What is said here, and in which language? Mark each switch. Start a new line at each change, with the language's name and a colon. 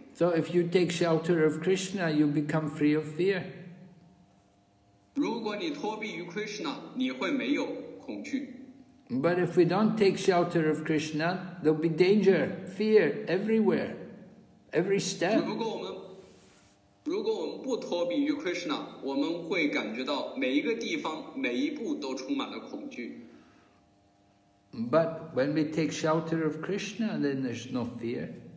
English: So if you take shelter of Krishna, you become free of fear.
Chinese: 如果你脱避于 Krishna, 你会没有恐惧。
English: But if we don't take shelter of Krishna, there'll be danger, fear everywhere, every step.
Chinese: 如果我们不脱离于 Krishna, 我们会感觉到每一个地方每一步都充满了恐惧。
English: But when we take shelter of Krishna, then there's no fear.